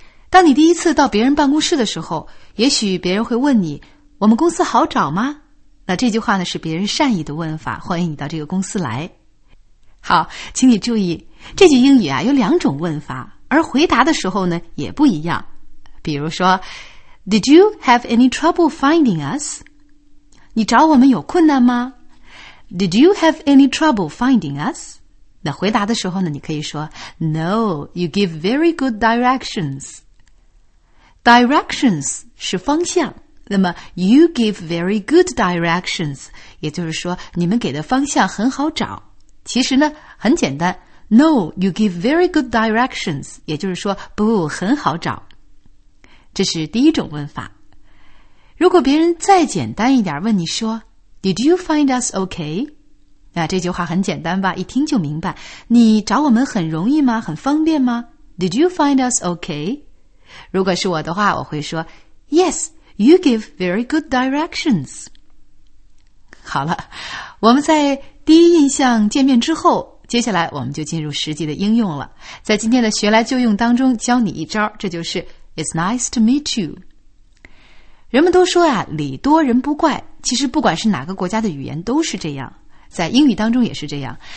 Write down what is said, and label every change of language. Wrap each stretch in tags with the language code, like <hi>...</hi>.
<zh>当你第一次到别人办公室的时候，也许别人会问你，我们公司好找吗？那这句话呢是别人善意的问法，欢迎你到这个公司来。好，请你注意，这句英语啊有两种问法，而回答的时候呢也不一样。比如说</zh> <en>Did you have any trouble finding us?</en> <zh>你找我们有困难吗？</zh> <en>Did you have any trouble finding us?</en> <zh>那回答的时候呢，你可以说</zh> <en>No, you give very good directions。</en> <zh>Directions 是方向，那么</zh> <en>you give very good directions</en> <zh>也就是说你们给的方向很好找。其实呢很简单，</zh> <en>No, you give very good directions</en> <zh>也就是说不很好找。这是第一种问法。如果别人再简单一点问你说</zh> <en>Did you find us okay?</en> <zh>那这句话很简单吧，一听就明白，你找我们很容易吗？很方便吗？</zh> <en>Did you find us okay? 如果是我的话，我会说 Yes, you give very good directions.</en> <zh>好了，我们在第一印象见面之后，接下来我们就进入实际的应用了。在今天的学来就用当中教你一招，这就是</zh> <en>It's nice to meet you。</en> <zh>人们都说啊，礼多人不怪，其实不管是哪个国家的语言都是这样，在英语当中也是这样。</zh>